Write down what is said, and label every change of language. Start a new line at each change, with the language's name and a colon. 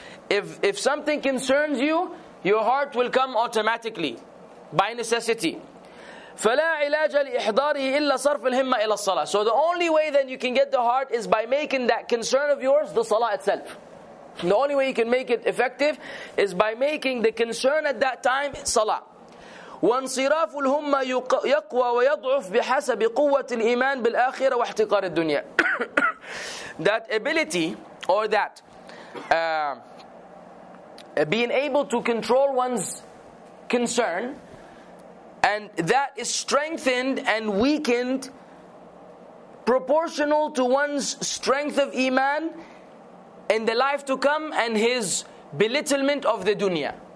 English: If something concerns you, your heart will come automatically by necessity.
Arabic: فلا علاج لإحضاره إلا صرف الهمة إلى الصلاة.
English: So the only way that you can get the heart is by making that concern of yours the salah itself. The only way you can make it effective is by making the concern at that time salah.
Arabic: وانصراف الهمة يقوى ويضعف بحسب قوة الإيمان بالآخرة واحتقار الدنيا.
English: That ability, or that being able to control one's concern, and that is strengthened and weakened proportional to one's strength of iman in the life to come and his belittlement of the dunya.